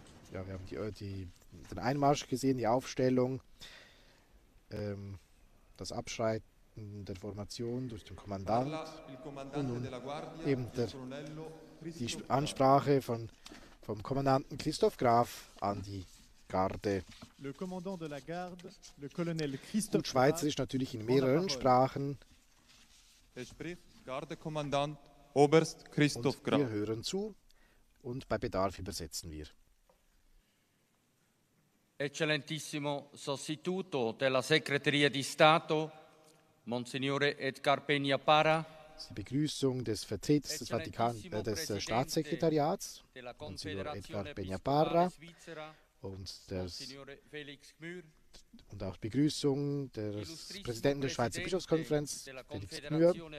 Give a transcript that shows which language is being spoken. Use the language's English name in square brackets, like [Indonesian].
[German] Wir haben den Einmarsch gesehen, die Aufstellung, das Abschreiten der Formation durch den Kommandant und nun eben die Ansprache vom Kommandanten Christoph Graf an die Garde. Gut, Schweizerisch natürlich in mehreren Sprachen. Er spricht Gardekommandant Oberst Christoph Graf. Wir hören zu. Und bei Bedarf übersetzen wir. [Italian] Eccellentissimo Sostituto della Segreteria di Stato, Monsignore Edgar Peña Parra. [German] Die Begrüßung des Vertreters des Staatssekretariats, Monsignor Edgar Peña Parra, und auch Begrüßung des Präsidenten der Schweizer Bischofskonferenz, Felix Gmür.